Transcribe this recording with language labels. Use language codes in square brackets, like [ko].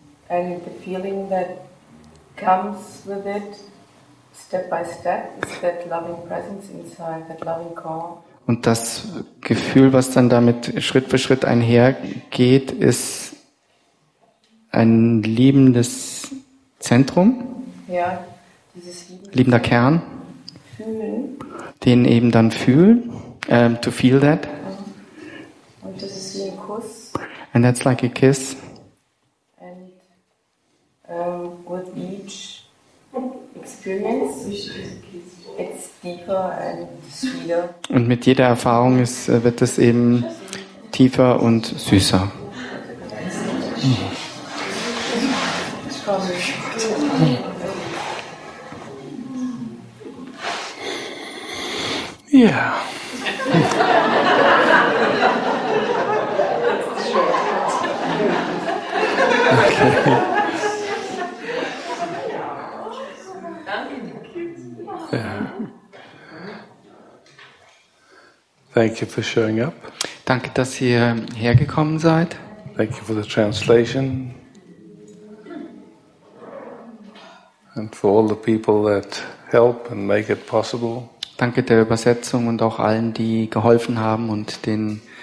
[en] And the feeling that comes with it, step by step, is that loving presence inside, that loving call. [de] Und das Gefühl, was dann damit Schritt für Schritt einhergeht, ist ein liebendes Zentrum, ja, liebender Kern, fühlen. Den eben dann fühlen, [en] to feel that. [de] Und das ist wie ein Kuss. [en] And that's like a kiss. And with each experience, it's deeper and sweeter. [de] Und mit jeder Erfahrung wird es eben tiefer und süßer. Ja. [en] Thank you for showing up. [de] Danke, dass ihr hergekommen seid. [en] Thank you for the translation. And for all the people that help and make it possible. [de] Danke der Übersetzung und auch allen, die geholfen haben und den.